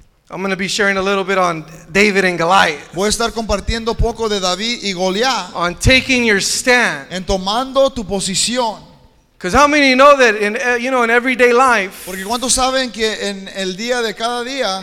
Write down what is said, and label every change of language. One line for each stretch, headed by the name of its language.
English: I'm going to be sharing a little bit on David and Goliath.
Spanish: Voy a estar compartiendo poco de David y Goliath.
English: On taking your stand.
Spanish: En tomando tu posición.
English: Because how many know that in, you know, in everyday life,
Spanish: porque cuántos saben que en el día de cada día,